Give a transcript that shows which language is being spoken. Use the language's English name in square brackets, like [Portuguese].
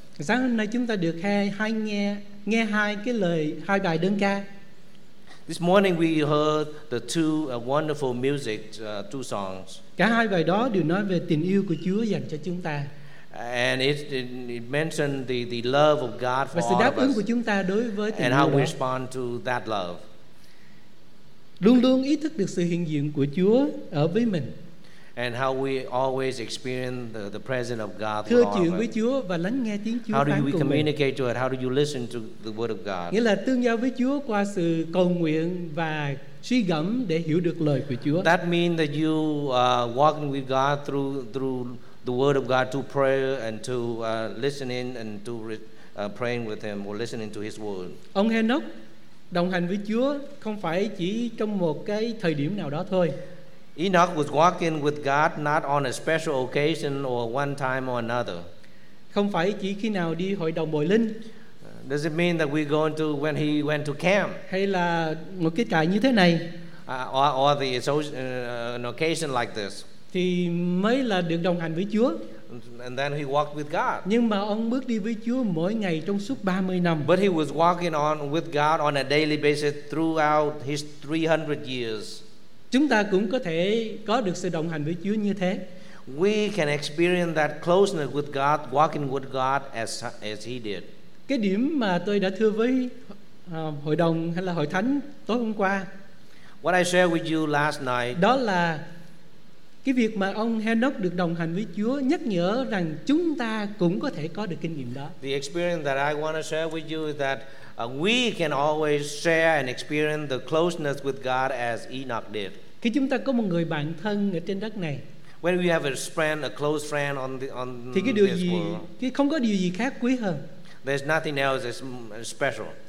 [Vietnamese] Sáng hôm nay chúng ta được nghe hai cái lời, hai bài đơn ca. [English] This morning we heard the two wonderful music, two songs. [Vietnamese] Cả hai bài đó đều nói về tình yêu của Chúa dành cho chúng ta. [English] And it mentioned the love of God for us. [Vietnamese] Và sự đáp ứng của chúng ta đối với tình yêu. [English] And how we respond to that love. [Vietnamese] Luôn luôn ý thức được sự hiện diện của Chúa ở với mình. [English] and how we always experience the presence of God. [Vietnamese] Thưa chuyện với Chúa và lắng nghe tiếng Chúa. [English] How do we communicate to it? How do you listen to the word of God? [Vietnamese] Nghĩa là tương giao với Chúa qua sự cầu nguyện và suy gẫm để hiểu được lời của Chúa. [English] That means that you walking with God through the word of God to prayer and to listening and to praying with him or listening to his word. [Vietnamese] Ông Henoch đồng hành với Chúa không phải chỉ trong một cái thời điểm nào đó thôi. [English] Enoch was walking with God not on a special occasion or one time or another. [Vietnamese] Không phải chỉ khi nào đi hội đồng bồi linh. [English] Does it mean that we're going to when he went to camp? [Vietnamese] Hay là một cái trại như thế này? [English] An occasion like this. [Vietnamese] Thì mới là được đồng hành với Chúa. [English] And then he walked with God. [Vietnamese] Nhưng mà ông bước đi với Chúa mỗi ngày trong suốt 30 năm. [English] But he was walking on with God on a daily basis throughout his 300 years. [Vietnamese] Chúng ta cũng có thể có được sự đồng hành với Chúa như thế. [English] We can experience that closeness with God, walking with God as he did. [Vietnamese] Cái điểm mà tôi đã thưa với hội đồng hay là hội thánh tối hôm qua. [English] What I shared with you last night. [Vietnamese] Đó là cái việc mà ông Henoch được đồng hành với Chúa nhắc nhở rằng chúng ta cũng có thể có được kinh nghiệm đó. [English] The experience that I want to share with you is that we can always share and experience the closeness with God as Enoch did. [Vietnamese] Khi chúng ta có một người bạn thân ở trên đất này. [English] When we have a close friend on [Vietnamese] thì cái điều gì, cái không có điều gì khác quý hơn. [English] There's nothing else is special.